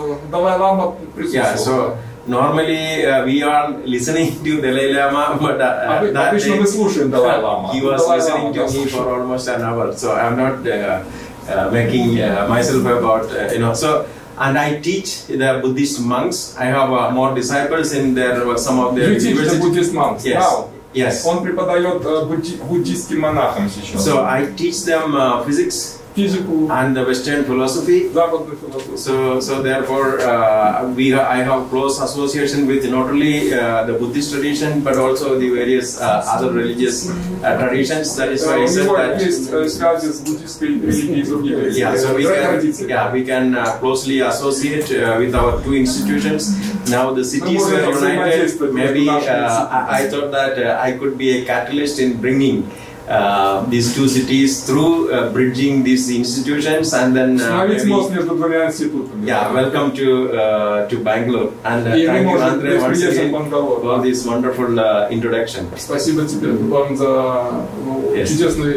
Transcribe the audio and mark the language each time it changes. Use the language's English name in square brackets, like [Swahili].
[Russian] Далай Лама присутствовал. [English] Normally we are listening to Dalai Lama, but that day [Russian] мы слушаем Далай Лама. [English] He was listening to me for almost an hour, so I'm not making myself about So and I teach the Buddhist monks. I have more disciples in there. Some of their. You teach the Buddhist monks. Yes. Wow. Yes. [Russian] Он преподает буддийским монахам сейчас. [English] So I teach them physics. And the Western philosophy. So therefore, I have close association with not only the Buddhist tradition but also the various other religious traditions. That is why I said that. So we can closely associate with our two institutions. Now the cities were united. Maybe I thought that I could be a catalyst in bringing. These two cities through bridging these institutions and then welcome to Bangalore and thank you Andre once again for this wonderful introduction. [Russian] Спасибо тебе, вам за чудесное